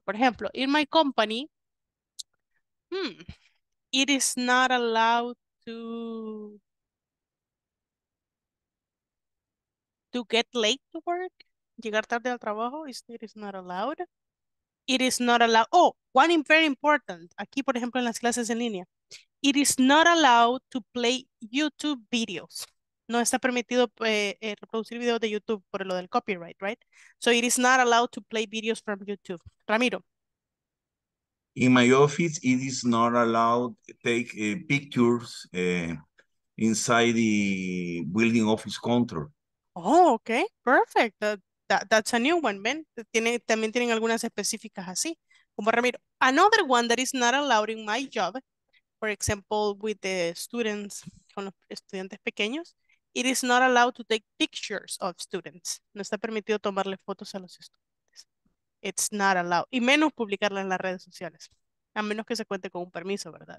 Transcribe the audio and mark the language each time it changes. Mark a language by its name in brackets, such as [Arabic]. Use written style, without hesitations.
[Spanish] Por ejemplo, [English] in my company, it is not allowed to get late to work. [Spanish] Llegar tarde al trabajo, [English] it is not allowed. It is not allowed. Oh, one very important. [Spanish] Aquí, por ejemplo, en las clases en línea. [English] It is not allowed to play YouTube videos. [Spanish] No está permitido reproducir videos de YouTube por lo del copyright, right? [English] So it is not allowed to play videos from YouTube. Ramiro. In my office, it is not allowed to take pictures inside the building office control. Oh, okay. Perfect. That's a new one, Ben. [Spanish] También tienen algunas específicas así. Como Ramiro. [English] Another one that is not allowed in my job, for example, with the students, [Spanish] con los estudiantes pequeños, [English] it is not allowed to take pictures of students. [Spanish] No está permitido tomarle fotos a los estudiantes. [English] It's not allowed. [Spanish] Y menos publicarla en las redes sociales. A menos que se cuente con un permiso, ¿verdad?